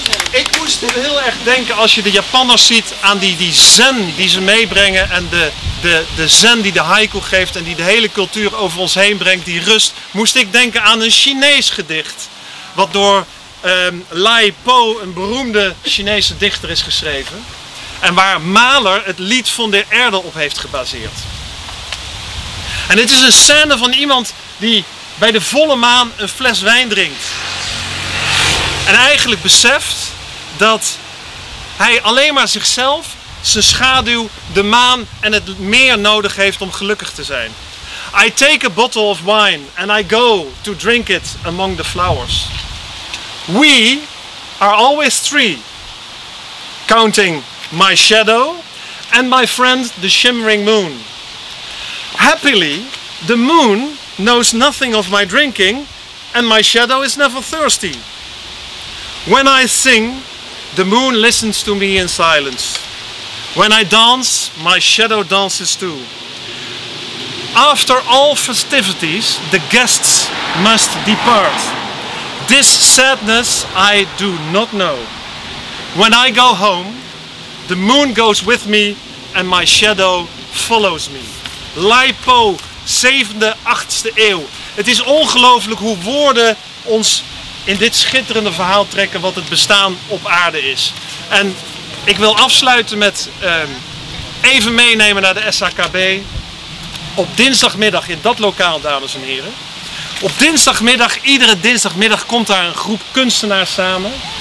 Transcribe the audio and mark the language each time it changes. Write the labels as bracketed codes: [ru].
[nl] Ik moest heel erg denken als je de Japanners ziet aan die zen die ze meebrengen en de zen die de haiku geeft en die de hele cultuur over ons heen brengt, die rust, moest ik denken aan een Chinees gedicht wat door Lai Po, een beroemde Chinese dichter, is geschreven en waar Mahler het lied van de erde op heeft gebaseerd. En het is een scène van iemand die bij de volle maan een fles wijn drinkt. En eigenlijk beseft dat hij alleen maar zichzelf, zijn schaduw, de maan en het meer nodig heeft om gelukkig te zijn. [en] I take a bottle of wine and I go to drink it among the flowers. We are always three, counting my shadow and my friend the shimmering moon. Happily, the moon knows nothing of my drinking and my shadow is never thirsty. When I sing, the moon listens to me in silence. When I dance, my shadow dances too. After all festivities, the guests must depart. This sadness I do not know. When I go home, the moon goes with me and my shadow follows me. [nl] Lipo, 7e, 8e eeuw. Het is ongelooflijk hoe woorden ons in dit schitterende verhaal trekken wat het bestaan op aarde is. En ik wil afsluiten met even meenemen naar de SHKB. Op dinsdagmiddag in dat lokaal, dames en heren. Op dinsdagmiddag, iedere dinsdagmiddag, komt daar een groep kunstenaars samen.